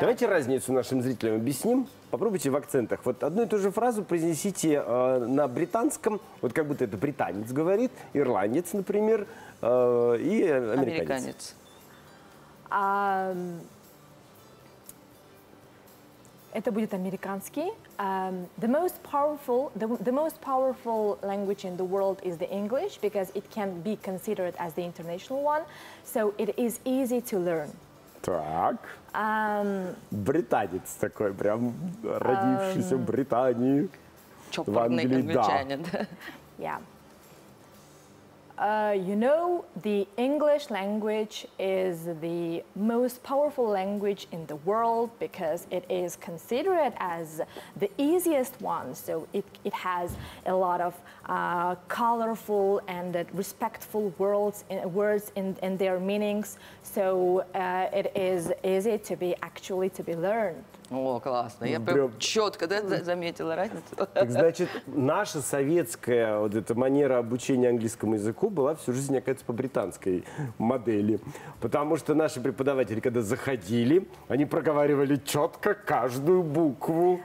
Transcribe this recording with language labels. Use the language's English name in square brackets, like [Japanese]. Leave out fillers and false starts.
[Russian] Давайте разницу нашим зрителям объясним. Попробуйте в акцентах. Вот одну и ту же фразу произнесите на британском, вот как будто это британец говорит, ирландец, например, и американец. Это будет американский. [English] The most powerful language in the world is the English because it can be considered as the international one, so it is easy to learn. [Russian] Так. Британец такой прям родившийся в Британии. чопорный англичанин. [English] You know, the English language is the most powerful language in the world because it is considered as the easiest one. So it has a lot of colorful and respectful words in their meanings. So it is easy to be actually to be learned. [Russian] О, классно. Я прям четко, да, заметила разницу. Так, значит, наша советская вот эта манера обучения английскому языку была всю жизнь, мне кажется, по британской модели. Потому что наши преподаватели, когда заходили, они проговаривали четко каждую букву.